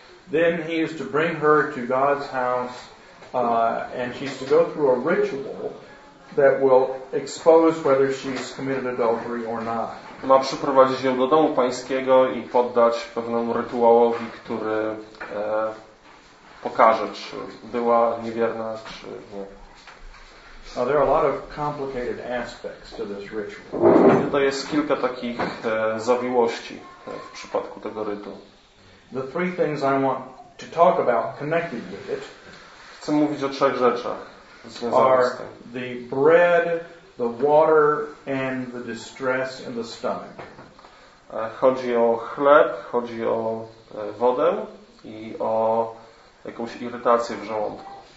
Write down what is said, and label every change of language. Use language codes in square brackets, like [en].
[en] Then he is to bring her to God's house and she's to go through a ritual that will expose whether she's committed adultery or not. [pl] Ma przyprowadzić ją do domu pańskiego i poddać pewnemu rytuałowi, który pokaże, czy była niewierna, czy nie. [en] Now, there are a lot of complicated aspects to this ritual. [pl] Tutaj jest kilka takich zawiłości w przypadku tego rytu. [en] The three things I want to talk about connected with it. [pl] Chcę mówić o trzech rzeczach. [en] Are the bread, the water, and the distress in the stomach. [pl] Chodzi o chleb, chodzi o wodę i o jakąś irytację w żołądku.